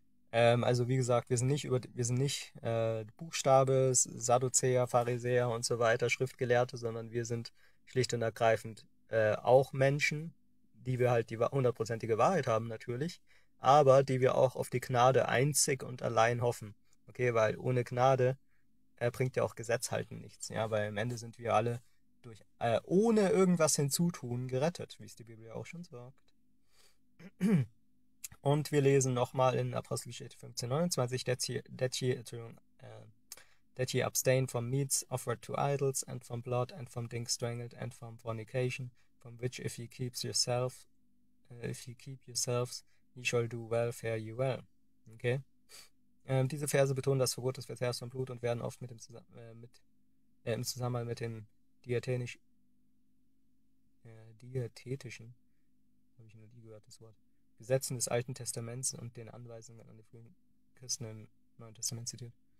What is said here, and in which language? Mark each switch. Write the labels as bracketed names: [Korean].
[German] Also wie gesagt, wir sind nicht Buchstabe, Sadduzäer, Pharisäer und so weiter, Schriftgelehrte, sondern wir sind schlicht und ergreifend auch Menschen, die wir halt die hundertprozentige Wahrheit haben natürlich, aber die wir auch auf die Gnade einzig und allein hoffen. Okay, weil ohne Gnade bringt ja auch Gesetz halten nichts. Ja, weil am Ende sind wir alle ohne irgendwas hinzutun gerettet, wie es die Bibel auch schon sagt. Und wir lesen nochmal in Apostelgeschichte 15, 29, [English] that ye abstain from meats offered to idols and from blood and from things strangled and from fornication, from which if ye keeps yourself, if ye keep yourselves, ye shall do well, fare ye well. Okay. [German] Diese Verse betonen das Verbot des Verzehrs von Blut und werden oft mit dem im Zusammenhang mit dem diätetischen, habe ich nur die gehört, das Wort, Gesetzen des Alten Testaments und den Anweisungen an die frühen Christen im Neuen Testament zitiert.